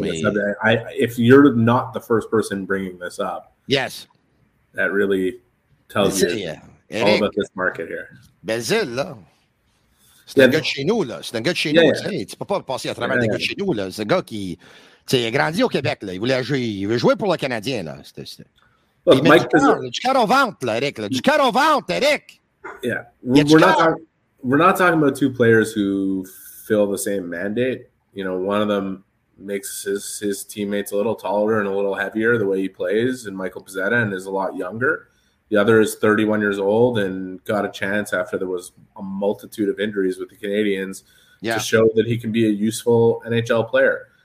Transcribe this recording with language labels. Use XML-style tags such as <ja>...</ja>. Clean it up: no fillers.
<en>If you're not the first person bringing this up, yes, that really tells you all Eric, about this market here.</en> <fr>Belzil, là. C'est un gars de chez nous, là. C'est un gars de chez nous. Tu peux pas passer à travers des gars de chez nous, là. C'est un gars qui. T'sais, il a grandi au Québec, là. Il voulait jouer pour le Canadien, là. Du cœur au ventre, Eric.</fr> <en>We're not talking about two players who fill the same mandate. You know, one of them makes his teammates a little taller and a little heavier the way he plays, and Michael Pezzetta, and is a lot younger. The other is 31 years old and got a chance after there was a multitude of injuries with the Canadiens to show that he can be a useful NHL player.</en>